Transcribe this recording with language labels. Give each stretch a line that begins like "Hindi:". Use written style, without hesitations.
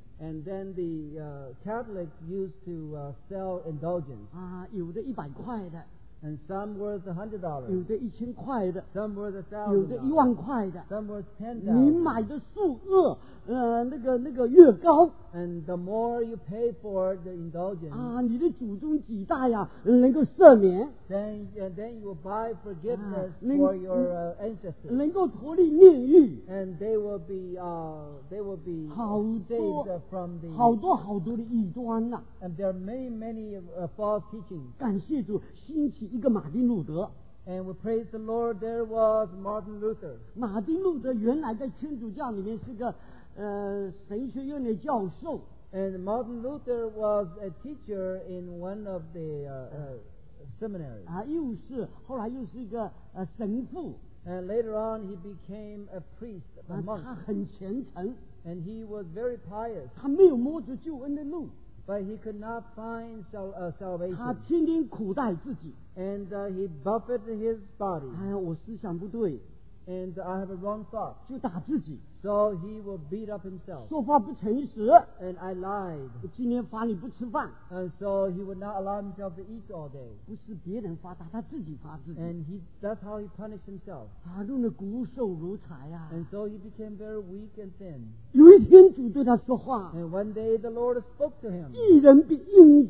English: and then the Catholic used to sell indulgence.
Chinese: 有的100块的,
English: and some worth $100.
Chinese: 有的1000块的,
English: some worth $1,000.
Chinese: 有的10,000块的,
English: some worth $10,000.
Chinese: 你买的数额, 那个越高,
English: and the more you pay for the indulgence,
Chinese: 你的祖宗几代呀, 能够赦免,
English: then you will buy forgiveness for your ancestors,
Chinese: 能够脱离炼狱,
English: and they will be
Chinese: 好多,
English: from the
Chinese: 好多好多的异端啊,
English: and there are many, many false teachings.
Chinese: 感谢主, 兴起一个马丁路德,
English: and we praise the Lord, there was Martin Luther.
Chinese: 马丁路德原来在天主教里面是个 神学院的教授,
English: and Martin Luther was a teacher in one of the seminaries.
Chinese: 又是, 后来又是一个,
English: 神父, and later on he became a priest, a monk.
Chinese: 他很虔诚,
English: and he was very pious.
Chinese: 他没有摸着救恩的路,
English: but he could not find salvation.
Chinese: 他天天苦待自己,
English: and he buffeted his body.
Chinese: 我思想不对,
English: and I have a wrong thought.
Chinese: 就打自己,
English: so he will beat up himself.
Chinese: 说话不诚实,
English: and I lied.
Chinese: 今天罚你不吃饭,
English: and so he would not allow himself to eat all day.
Chinese: 不是别人罚他, 他自己罚自己,
English: and that's how he punished himself.
Chinese: 他弄得骨瘦如柴啊,
English: and so he became very weak and thin.
Chinese: 有一天主对他说话,
English: and one day the Lord spoke to him.